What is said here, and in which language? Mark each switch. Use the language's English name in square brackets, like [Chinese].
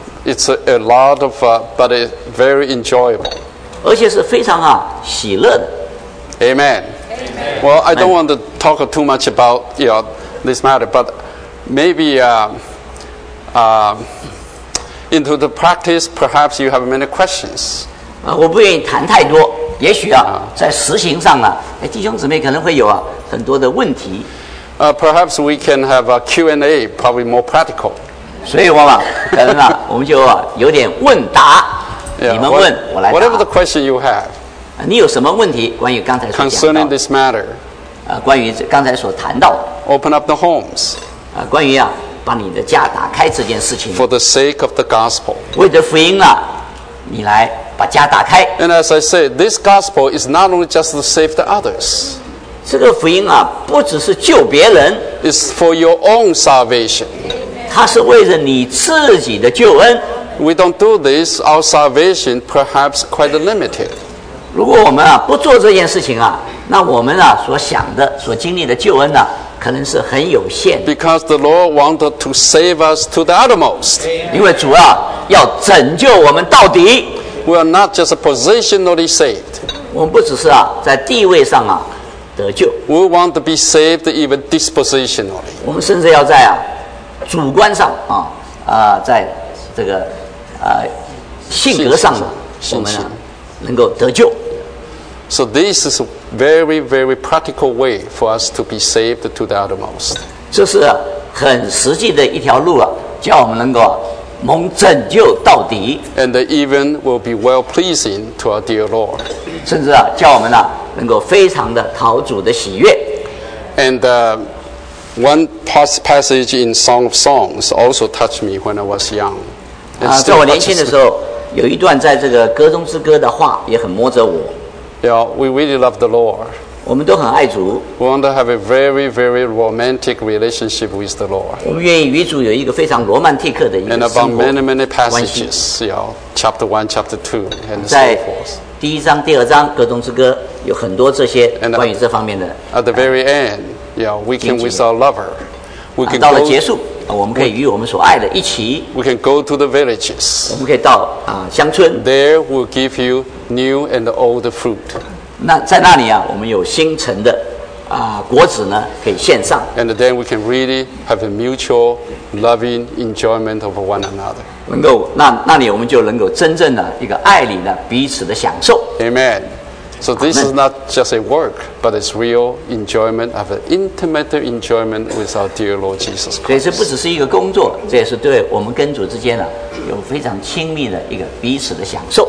[English] It's a lot of, but it's very enjoyable. [Chinese] 而且是非常喜乐的。 [English] Amen. Well, I don't want to talk too much about this matter, but maybe into the practice, perhaps you have many questions. [Chinese] 我不愿意谈太多，也许在实行上弟兄姊妹可能会有很多的问题。 [English] Perhaps we can have a Q&A, probably more practical. [Chinese] 所以我们可能我们就有点问答。你们问，我来答。 [English] Whatever the question you have. [Chinese] 你有什么问题关于刚才所讲到的 [English] ？Concerning this matter. [Chinese] 关于刚才所谈到的。 [English] Open up the homes. [Chinese] 关于把你的家打开这件事情。 [English] For the sake of the gospel. [Chinese] 为着福音你来把家打开。 [English] And as I said, this gospel is not only just to save the others. [Chinese] 这个福音不只是救别人。 [English] It's for your own salvation. [Chinese] 它是为着你自己的救恩。 [English] We don't do this, our salvation perhaps quite limited. [Chinese] 如果我们啊不做这件事情啊，那我们啊所想的、所经历的救恩呢、啊，可能是很有限的。 [English] Because the Lord wanted to save us to the uttermost. [Chinese] 因为主啊要拯救我们到底。 [English] We are not just positionally saved. [Chinese] 我们不只是啊在地位上啊得救。 [English] We want to be saved even dispositionally. [Chinese] 我们甚至要在啊主观上啊在这个性格上我们啊。能够得救。 [English] So this is a very, very practical way for us to be saved to the uttermost. [Chinese] 这是很实际的一条路啊，叫我们能够蒙拯救到底。 [English] And even will be well pleasing to our dear Lord. [Chinese] 甚至啊，叫我们呢、啊、能够非常的讨主的喜悦。 [English] And one passage in Song of Songs also touched me when I was young. [Chinese] 在我年轻的时候。有一段在这个歌中之歌的话也很摸着我。 [English] Yeah, we really love the Lord. [Chinese] 我们都很爱主。 [English] We want to have a very, very romantic relationship with the Lord. [Chinese] 我们愿意与主有一个非常罗曼蒂克的一个生活关系。 [English] And about many, many passages, yeah, chapter one, chapter two, and so forth. [Chinese] 第一章、第二章歌中之歌有很多这些关于这方面的。 [English] At the very end, yeah, we can with our lover. We can [Chinese] 到了结束。我们可以与我们所爱的一起。 [English] We can go to the villages. [Chinese] 我们可以到乡村。 [English] There will give you new and old fruit. [Chinese] 那在那里啊，我们有新陈的果子呢，可以献上。 [English] And then we can really have a mutual loving enjoyment of one another. [Chinese] 能够那里我们就能够真正的一个爱里的彼此的享受。 [English] Amen. So this is not just a work, but it's real enjoyment of an intimate enjoyment with our dear Lord Jesus Christ. [Chinese] 这不只是一个工作，这也是对我们跟主之间呢、啊、有非常亲密的一个彼此的享受。